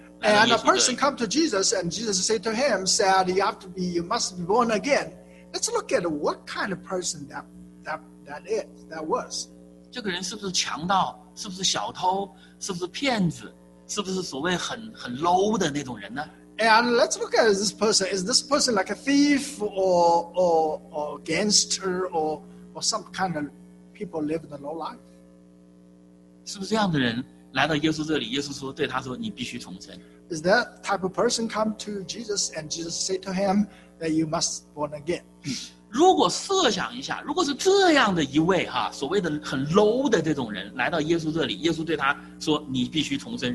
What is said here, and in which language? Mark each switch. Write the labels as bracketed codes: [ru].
[en] And a person come to Jesus and Jesus said to him, said you must be born again. Let's look at what kind of person that was. [zh] 这个人是不是强盗？是不是小偷？是不是骗子？是不是所谓很 low 的那种人呢？ [en] And let's look at this person. Is this person like a thief or gangster or some kind of people live the low life? [zh] 是不是这样的人来到耶稣这里？耶稣说对他说：“你必须重生。” [en] Is that type of person come to Jesus and Jesus say to him that you must born again? [zh] 如果设想一下，如果是这样的一位哈，所谓的很 low 的这种人来到耶稣这里，耶稣对他说：“你必须重生。”